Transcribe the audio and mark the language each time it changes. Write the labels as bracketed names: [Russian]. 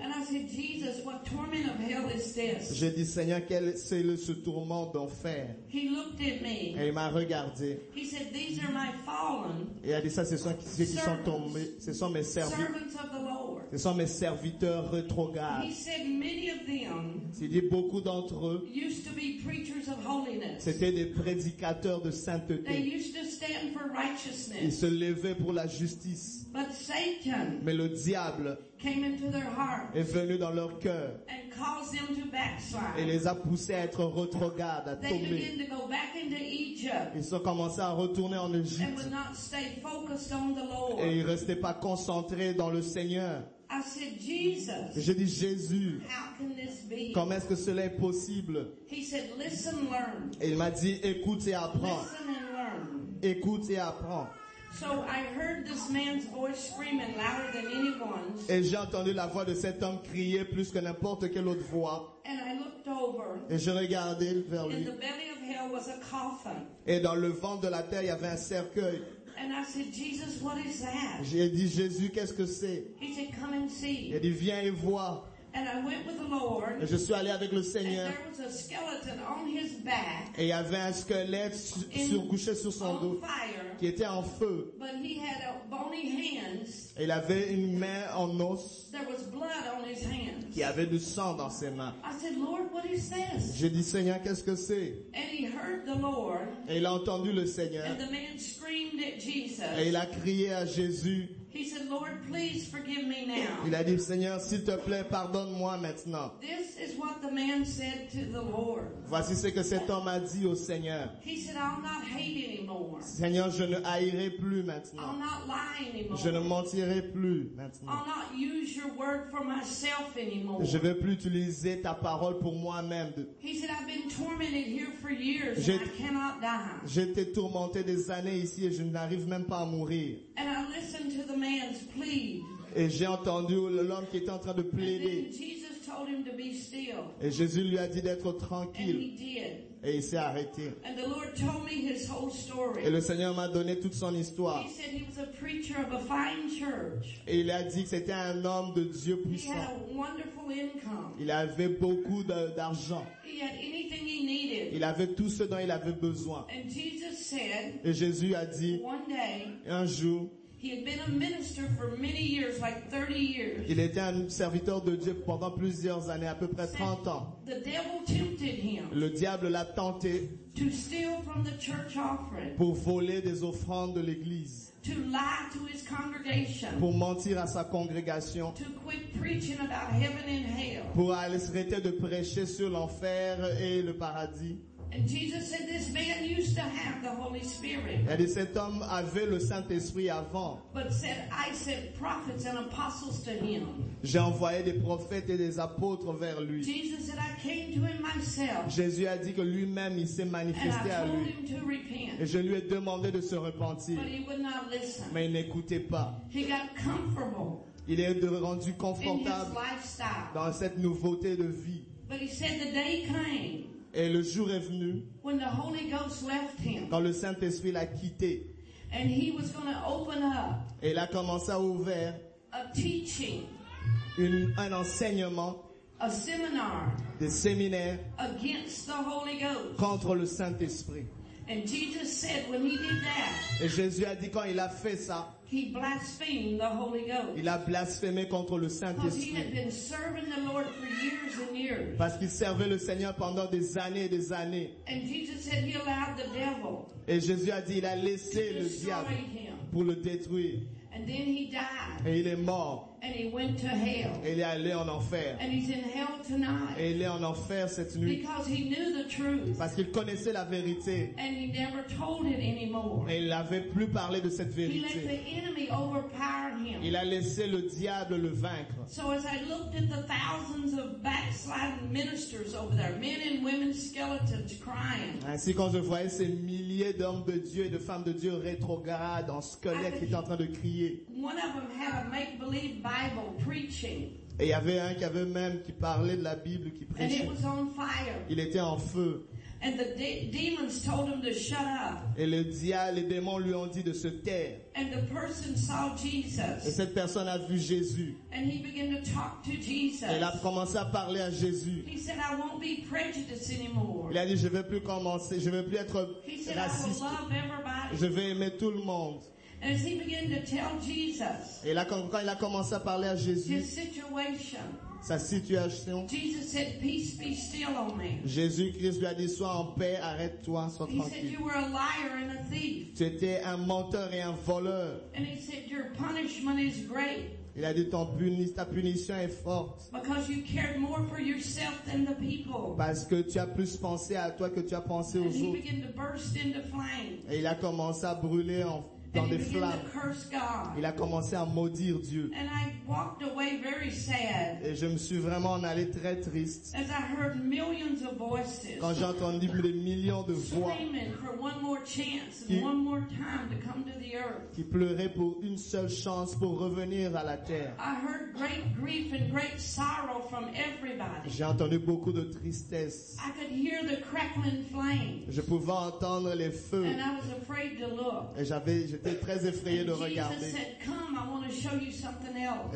[English] And I said, Jesus, what torment of hell is this? [French] J'ai dit, Seigneur, quel c'est ce tourment d'enfer? [English] He looked at me. [French] Et il m'a regardé. [English] He said, these are my fallen. [French] Et il a dit, ça, ce sont ceux qui sont tombés. Ce sont mes [English] servants of the Lord. [French] Ce sont mes serviteurs rétrogrades. [English] He said, many of them. [French] Il dit, beaucoup d'entre eux. [English] Used to be preachers of holiness. [French] C'était des prédicateurs de sainteté. [English] They used to stand for righteousness. [French] Ils se levaient pour la justice. [English] But Satan. [French] Mais le diable [English] came into their heart [French] est venu dans leur cœur [English] and caused them to backslide. [French] Et les a poussés à être rétrogrades, à [English] they [French] tomber. [English] Began to go back into Egypt. [French] Ils sont commencés à retourner en Égypte. [English] And would not stay focused on the Lord. [French] Et ils ne restaient pas concentrés dans le Seigneur. [English] I said, Jesus, [French] je dis, Jésus, [English] how can this be? [French] Comment est-ce que cela est possible? [English] He said, listen, learn. [French] Et il m'a dit, écoute et apprends. [English] Listen and learn. [French] Écoute et apprends. [English] So I heard this man's voice screaming louder than anyone's. [French] Et j'ai entendu la voix de cet homme crier plus que n'importe quelle autre voix. [English] And I looked over. [French] Et je regardais vers lui. [English] In the belly of hell was a coffin. [French] Et dans le ventre de la terre, il y avait un cercueil. [English] And I said, Jesus, what is that? [French] J'ai dit, Jésus, qu'est-ce que c'est? [English] He said, come and see. [French] Il dit, viens et vois. [English] And I went with the Lord. [French] Et je suis allé avec le Seigneur. [English] And there was a skeleton on his back. [French] Et il y avait un squelette couché sur son dos. [English] Fire. [French] Qui était en feu. [English] But he had bony hands. [French] Et il avait une main en os. [English] There was blood on his hands. [French] Qui avait du sang dans ses mains. [English] I said, Lord, what is this? [French] J'ai dit, Seigneur, qu'est-ce que c'est? [English] And he heard the Lord. [French] Et il a entendu le Seigneur. [English] And the man screamed at Jesus. [French] Et il a crié à Jésus. [English] He said, Lord, please forgive me now. [French] Il a dit, Seigneur, s'il te plaît, pardonne-moi maintenant. [English] This is what the man said to the Lord. [French] Voici ce que cet homme a dit au Seigneur. [English] He said, I'll not hate anymore. [French] Seigneur, je ne haïrai plus maintenant. [English] I'll not lie anymore. [French] Je ne mentirai plus maintenant. [English] I'll not use your word for myself anymore. [French] Je ne vais plus utiliser ta parole pour moi-même. [English] He said, I've been tormented here for years and I cannot die. [French] J'ai été tourmenté des années ici et je n'arrive même pas à mourir. [English] And I listened to the man's plea. [French] Et j'ai entendu l'homme qui était en train de plaider. [English] And then Jesus told him to be still. [French] Et Jésus lui a dit d'être tranquille. [English] And he did. [French] Et il s'est arrêté. [English] And the Lord told me his whole story. [French] Et le Seigneur m'a donné toute son histoire. [English] He said he was a preacher of a fine church. [French] Et il a dit que c'était un homme de Dieu puissant. [English] He had a wonderful income. [French] Il avait beaucoup d'argent. [English] He had anything he needed. [French] Il avait tout ce dont il avait besoin. [English] And Jesus said, [French] et Jésus a dit, [English] one day, [French] un jour, [English] He had been a minister for many years, like 30 years. [French] Il était un serviteur de Dieu pendant plusieurs années, à peu près 30 ans. [English] The devil tempted him. [French] Le diable l'a tenté. [English] To steal from the church offering. [French] Pour voler des offrandes de l'église. [English] To lie to his congregation. [French] Pour mentir à sa congrégation. [English] To quit preaching about heaven and hell. [French] Pour arrêter de prêcher sur l'enfer et le paradis. [English] And Jesus said this man used to have the Holy Spirit. [French] Et dit, cet homme avait le Saint-Esprit avant. [English] But said, I sent prophets and apostles to him. [French] J'ai envoyé des prophètes et des apôtres vers lui. [English] Jesus said, I came to him myself. [French] Jésus a dit que lui-même il s'est manifesté [English] and [French] à lui. [English] I told him to repent. [French] Et je lui ai demandé de se repentir. [English] But he would not listen. [French] Mais il n'écoutait pas. [English] He got comfortable. [French] Il est rendu confortable [English] in his lifestyle. [French] Dans cette nouveauté de vie. [English] But he said the day came. [French] Et le jour est venu [English] when the Holy Ghost left him, [French] quand le Saint-Esprit l'a quitté [English] and he was gonna open up, [French] et il a commencé à ouvrir [English] a teaching, [French] un enseignement [English] a seminar, [French] des séminaires [English] against the Holy Ghost. [French] Contre le Saint-Esprit. [English] And Jesus said when he did that, [French] et Jésus a dit quand il a fait ça [English] he blasphemed the Holy Ghost. [French] Il a blasphémé contre le Saint-Esprit. [English] He had been serving the Lord for years and years. [French] Parce qu'il servait le Seigneur pendant des années et des années. [English] And Jesus said he allowed the devil. [French] Et Jésus a dit il a laissé le diable pour le détruire. [English] And then he died. [French] Et il est mort. [English] And he went to hell. [French] Et il est allé en enfer. [English] And he's in hell tonight. [French] Et il est en enfer cette nuit. [English] Because he knew the truth. [French] Parce qu'il connaissait la vérité. [English] And he never told it anymore. [French] Et il n'avait plus parlé de cette vérité. [English] He let the enemy overpower him. [French] Il a laissé le diable le vaincre. [English] So as I looked at the thousands of backsliding ministers over there, men and women skeletons crying. [French] Ainsi quand je voyais ces milliers d'hommes de Dieu et de femmes de Dieu rétrogrades en squelettes qui étaient en train de crier. [English] One of them had a make-believe Bible preaching. [French] Et il y avait un qui avait même qui parlait de la Bible, qui prêchait. [English] And it was on fire. [French] Il était en feu. [English] And the demons told him to shut up. [French] Et les démons lui ont dit de se taire. [English] And the person saw Jesus. [French] Et cette personne a vu Jésus. [English] And he began to talk to Jesus. [French] Et elle a commencé à parler à Jésus. [English] He said, I won't be prejudiced anymore. [French] Il a dit, je ne vais plus être raciste. [English] He said, I will love everybody. [French] Je vais aimer tout le monde. [English] As he began to tell Jesus, [French] et là, quand il a commencé à parler à Jésus, [English] his situation, [French] sa situation, [English] Jesus said, peace be still on me. [French] Jésus-Christ lui a dit, sois en paix, arrête-toi, sois tranquille. [English] He said, you were a liar and a thief. [French] Tu étais un menteur et un voleur. [English] And he said, your punishment is great. [French] Il a dit, ta punition est forte. [English] Because you cared more for yourself than the people. [French] Parce que tu as plus pensé à toi que tu as pensé aux autres. [English] And he began to burst into flames. [French] Et il a commencé à brûler en feu. Dans des flammes. Il a commencé à maudire Dieu. [English] And I walked away very sad. [French] Et je me suis vraiment en allé très triste. [English] As I heard millions of voices. [French] Quand j'ai entendu des millions de voix. [English] Screaming for one more chance and one more time to come to the earth. [French] Qui pleurait pour une seule chance pour revenir à la terre. [English] I heard great grief and great sorrow from everybody. [French] J'ai entendu beaucoup de tristesse. [English] I could hear the crackling flames. [French] Je pouvais entendre les feux. [English] And I was afraid to look. [French] Et j'étais très effrayé de regarder. [English] Jesus said, come, I want to show you something else.